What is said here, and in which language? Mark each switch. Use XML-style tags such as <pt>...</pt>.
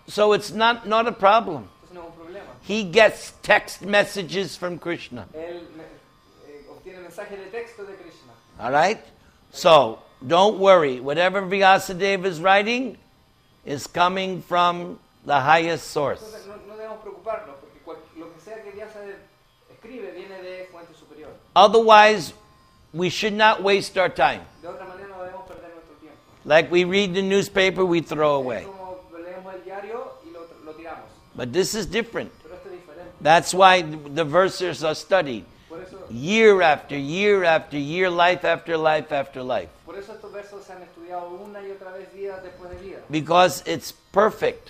<en>So it's not a problem.</en> <es>Entonces no es un problema.</es> <en>He gets text messages from Krishna.</en> <es>Él obtiene mensajes de texto de Krishna.</es> <en>All right? So don't worry. Whatever Vyasadeva is writing is coming from the highest source.</en> <es>No debemos preocuparnos porque lo que sea que Vyasadeva escribe viene de fuente superior.</es> <en>Otherwise, we should not waste our time.</en> <es>De otra manera, no debemos perder nuestro tiempo.</es> <en>Like we read the newspaper, we throw away.</en> <es>Es como leemos el diario y lo tiramos.</es> <en>But this is different.</en> <es>Pero esto es diferente.</es> <en>That's why the verses are studied.</en> <es>Por eso,</es> <en>year after year after year, life after life after life.</en> <es>Por eso estos versos se han estudiado una y otra vez, vida después de vida.</es> <en>Because it's perfect.</en>